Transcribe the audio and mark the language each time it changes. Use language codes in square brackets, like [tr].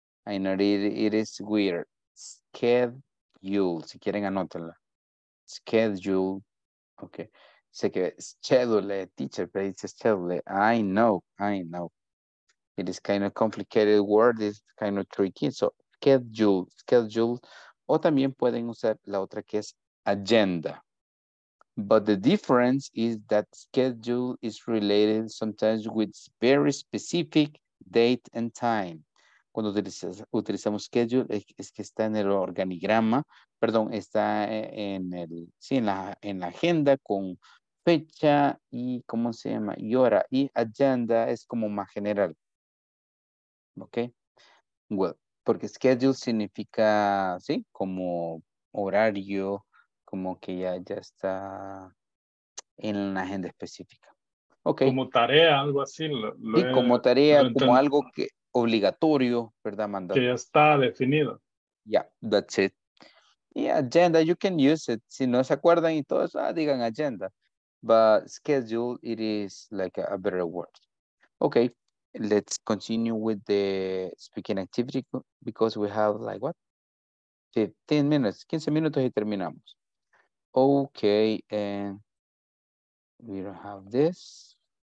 [en] It is weird. Schedule. [es] Si quieren, anótenla. [en] Schedule. Okay. [es] Sé que schedule, teacher, pero dice schedule. [en] I know. It is kind of complicated word. It's kind of tricky. So, schedule. [es] O también pueden usar la otra que es agenda. [en] But the difference is that schedule is related sometimes with very specific date and time. [es] Cuando utilizamos schedule, es que está en el organigrama. Perdón, está en el, sí, en la agenda con fecha y cómo se llama y hora y agenda es como más general. Ok. Well, porque schedule significa, sí, como horario, como que ya está en la agenda específica. Ok. Como tarea, algo así. Sí, como tarea, como algo que obligatorio, ¿verdad? Mandar. Que ya está definido. [en] Yeah, that's it. [es] Y agenda, [en] you can use it. [es] Si no se acuerdan y todo eso, digan agenda. [en] But schedule, it is like a better word. Okay, let's continue with the speaking activity because we have like what? 15 minutes, [es] 15 minutos y terminamos. [en] Okay, and we don't have this.